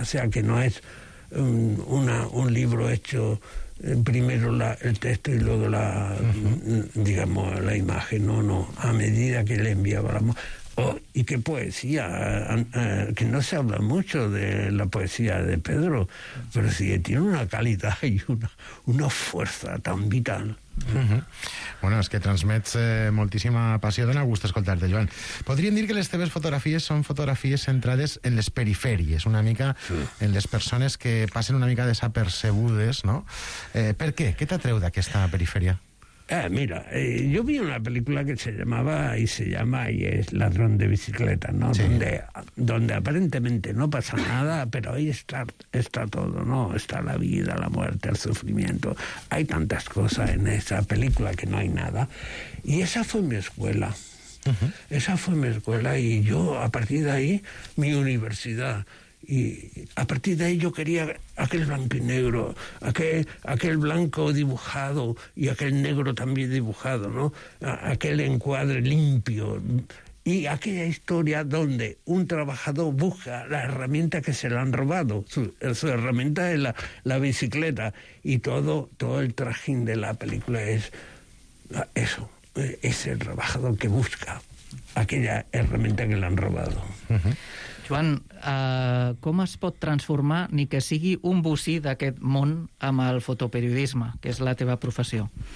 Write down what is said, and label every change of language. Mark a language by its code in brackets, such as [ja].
[es] O sea que no es un libro hecho primero el texto y luego la, digamos, la imagen. No, a medida que le enviaba la... Y qué poesía, que no se habla mucho de la poesía de Pedro, pero sí tiene una calidad y una fuerza tan vital. [ca] Bueno, es que transmets moltíssima passió, dona gust escoltar-te, Joan. Podríem dir que les teves fotografies són fotografies centrades en les perifèries, una mica en les persones que passen una mica desapercebudes, no? Per què? Què t'atreu d'aquesta perifèria? [es] Yo vi una película que se llamaba y se llama y es Ladrón de bicicleta, ¿no? Sí. Donde aparentemente no pasa nada, pero ahí está todo, ¿no? Está la vida, la muerte, el sufrimiento. Hay tantas cosas en esa película que no hay nada. Y esa fue mi escuela. Esa fue mi escuela y yo, a partir de ahí, mi universidad. Y a partir de ahí yo quería aquel blanco y negro, aquel blanco dibujado y aquel negro también dibujado, ¿no? Aquel encuadre limpio y aquella historia donde un trabajador busca la herramienta que se le han robado, su herramienta es la bicicleta, y todo el trajín de la película es eso, es el trabajador que busca aquella herramienta que le han robado. [ca] Joan, com es pot transformar, ni que sigui un bocí d'aquest món, amb el fotoperiodisme, que és la teva professió?